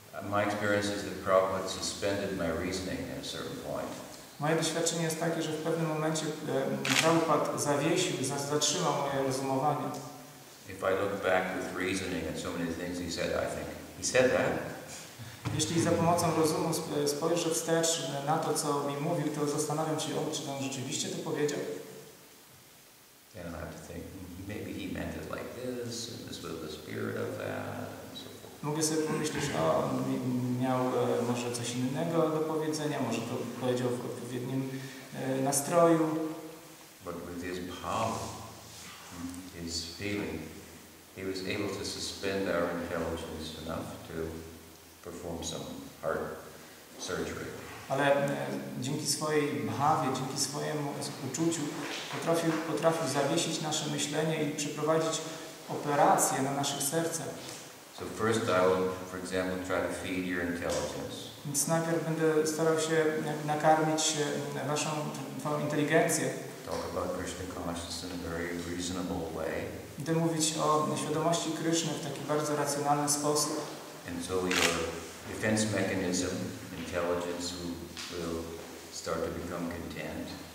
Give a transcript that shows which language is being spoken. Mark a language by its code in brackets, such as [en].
[en] My experience is that Prabhupada suspended my reasoning at a certain point. [pl] Moje doświadczenie jest takie, że w pewnym momencie Prabhupada zawiesił, zatrzymał moje rozumowanie. [en] If I look back with reasoning at so many things he said, I think he said that. [pl] Jeśli za pomocą rozumu spojrzę wstecz na to, co mi mówił, to zastanawiam się, czy on rzeczywiście to powiedział. [en] Then I'll have to think, maybe he meant it like this, and this was the spirit of that, and so forth. [pl] Mogę sobie pomyśleć, że on miał może coś innego do powiedzenia, może to powiedział w odpowiednim nastroju. [en] But with his power, his feeling, he was able to suspend our intelligence enough to perform some heart surgery. [pl] Ale dzięki swojej bhawie, dzięki swojemu uczuciu potrafił zawiesić nasze myślenie i przeprowadzić operację na naszych sercach. [en] So first I will, for example, try to feed your intelligence. [pl] Więc najpierw będę starał się nakarmić waszą twoją inteligencję. [en] Talk about Krishna consciousness in a very reasonable way. [pl] Będę mówić o świadomości Kryszny w taki bardzo racjonalny sposób. [en] And so your defense mechanism, intelligence, will start to become content.